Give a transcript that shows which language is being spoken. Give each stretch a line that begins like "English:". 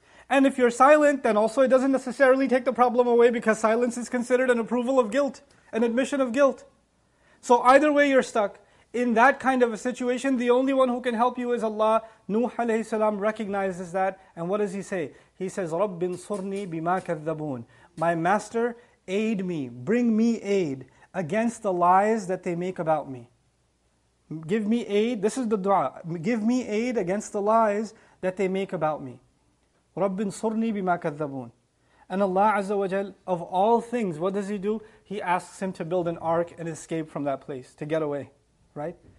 English: And if you're silent, then also it doesn't necessarily take the problem away, because silence is considered an approval of guilt, an admission of guilt. So either way you're stuck. In that kind of a situation, the only one who can help you is Allah. Nuh alayhi salam recognizes that. And what does he say?
Arabic: He says, رَبِّ انصُرْنِي بِمَا كَذَّبُونَ.
English: My master, aid me, bring me aid against the lies that they make about me. Give me aid, this is the dua, give me aid against the lies that they make about me.
Arabic: رَبِّ انصُرْنِي بِمَا كَذَّبُونَ.
English: And Allah Azza wa Jal, of all things, what does He do? He asks him to build an ark and escape from that place, to get away, right?